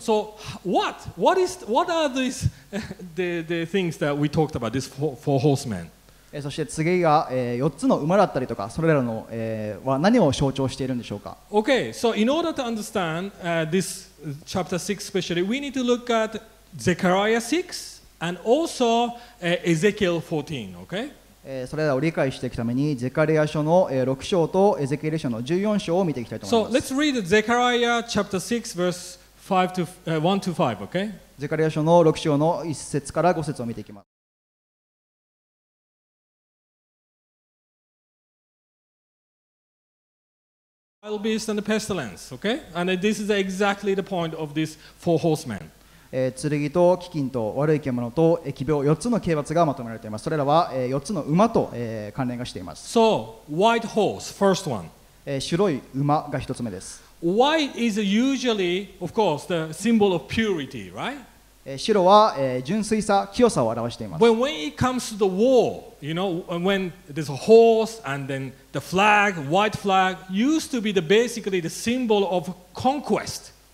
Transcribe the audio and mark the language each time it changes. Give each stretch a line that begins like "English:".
English: So what are these things that we talked about, these four horsemen?
Japanese: そして次が 4つの馬だったりとかそれらのは何を象徴しているんでしょうか?
English: Okay, so in order to understand this chapter 6 especially, we need to look at Zechariah 6 and also Ezekiel 14, okay?
Japanese: それらを理解していくために、ゼカリア書の6章とエゼキエル書の14章を見ていきたいと思います。
English: So let's read Zechariah chapter 6 verse 1 to 5, okay?
Japanese: ゼカリア書の6章の1節から5節を見ていきます。
English: Wild beast and the pestilence, okay? And this is exactly the point of these four horsemen.
Japanese: 剣と悪い獣と疫病4つの刑罰がまとめられています。それらは4つの馬と関連がしています。So,
English: white horse, first one.
Japanese: 白い馬が1つ目です。
English: White is usually, of course, the symbol of purity, right?
Japanese: 白は純粋さ、清さを表しています。
English: When it comes to the war, you know, when there's a horse and then the flag, white flag, used to be the, basically the symbol of conquest.